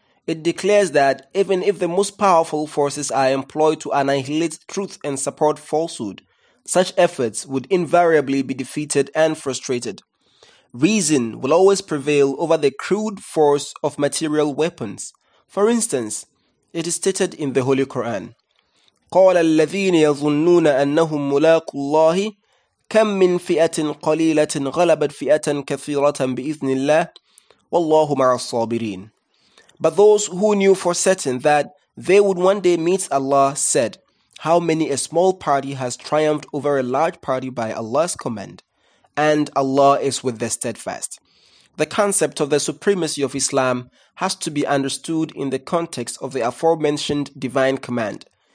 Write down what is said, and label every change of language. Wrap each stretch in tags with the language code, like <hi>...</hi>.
<en>It declares that even if the most powerful forces are employed to annihilate truth and support falsehood, such efforts would invariably be defeated and frustrated. Reason will always prevail over the crude force of material weapons. For instance, it is stated in the Holy Quran,</en> <ar>قَالَ الَّذِينَ يَظُنُّونَ أَنَّهُمْ مُلَاقُوا اللَّهِ كم من فئة قليلة غلبت فئة كثيرة بإذن الله والله مع الصابرين.</ar> <en>But those who knew for certain that they would one day meet Allah said, how many a small party has triumphed over a large party by Allah's command, and Allah is with the steadfast. The concept of the supremacy of Islam has to be understood in the context of the aforementioned divine command.</en>